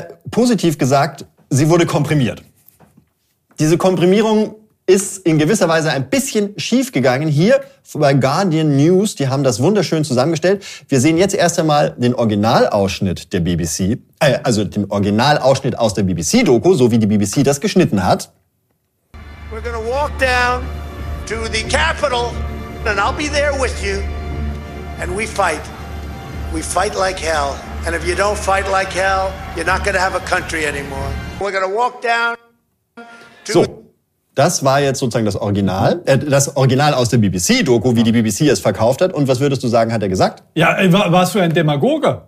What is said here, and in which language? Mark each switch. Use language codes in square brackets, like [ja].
[de] positiv gesagt, sie wurde komprimiert. Diese Komprimierung ist in gewisser Weise ein bisschen schief gegangen. Hier bei Guardian News, die haben das wunderschön zusammengestellt. Wir sehen jetzt erst einmal den Originalausschnitt der BBC, also den Originalausschnitt aus der BBC-Doku, so wie die BBC das geschnitten hat. [en] We're gonna walk down to the Capitol and I'll be there with you and we fight. We fight like hell. And if you don't fight like hell, you're not gonna have a country anymore. We're gonna walk down to... [de] So, das war jetzt sozusagen das Original aus der BBC-Doku, wie die BBC es verkauft hat. Und was würdest du sagen, hat er gesagt? Ja, warst du ein Demagoge?